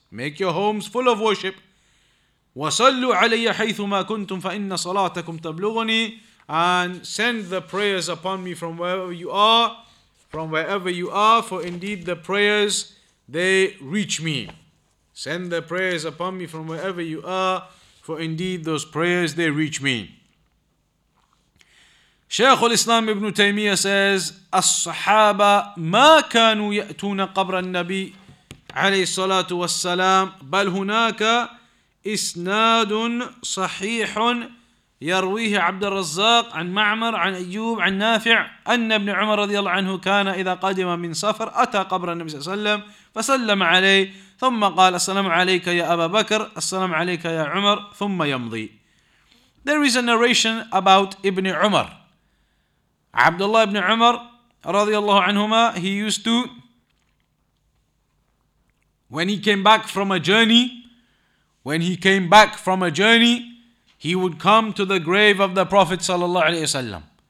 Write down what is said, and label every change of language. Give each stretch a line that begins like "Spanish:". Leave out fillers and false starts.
English: Make your homes full of worship.
Arabic: وَصَلُّوا عَلَيَّ حَيْثُمَا كُنْتُمْ فَإِنَّ صَلَاتَكُمْ تَبْلُغُنِي.
English: And send the prayers upon me from wherever you are. From wherever you are, for indeed the prayers, they reach me. Send the prayers upon me from wherever you are, for indeed those prayers, they reach me. Shaykh al-Islam ibn Taymiyyah says,
Arabic: As-Sahaba ma kanu ya'tuna qabra al-Nabi alayhi salatu wassalam, bal hunaka isnadun sahihun يرويه عبد الرزاق عن معمر عن أيوب عن نافع أن ابن عمر رضي الله عنه كان إذا قدم من سفر أتى قبر النبي صلى الله عليه وسلم فسلم عليه ثم قال السلام عليك يا أبا بكر السلام عليك يا عمر ثم يمضي.
English: There is a narration about ابن عمر. عبد الله ابن عمر رضي الله عنهما, he used to, when he came back from a journey, when he came back from a journey, he would come to the grave of the Prophet sallallahu alaihi wasallam.